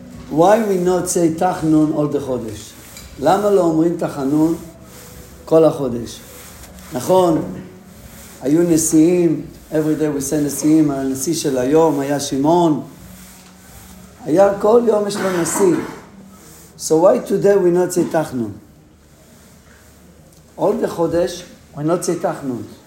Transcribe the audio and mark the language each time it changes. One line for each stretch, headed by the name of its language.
English: Why we not say תחנון all the חודש?
Hebrew: למה לא אומרים תחנון כל החודש? נכון, היו נשיאים,
English: every day we say
Hebrew: נשיאים, הנשיא של היום היה שמעון. היה כל יום יש לו נשיא.
English: So why today we not say תחנון?
Hebrew: עוד בחודש,
English: we not say תחנון.